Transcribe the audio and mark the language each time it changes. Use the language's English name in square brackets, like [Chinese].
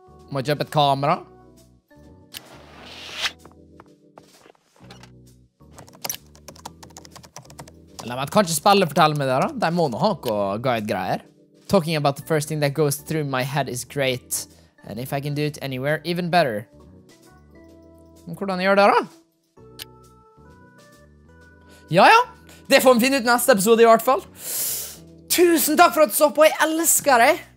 [Norwegian] Må jeg kjøpe et kamera? Nei, men kanskje spiller forteller meg det da? De må nå ha noe guide-greier. [English] Talking about the first thing that goes through my head is great. And if I can do it anywhere, even better. [Norwegian] Hvordan jeg gjør det da? Jaja, det får vi finne ut neste episode i hvert fall. Tusen takk for at du så på, jeg elsker deg.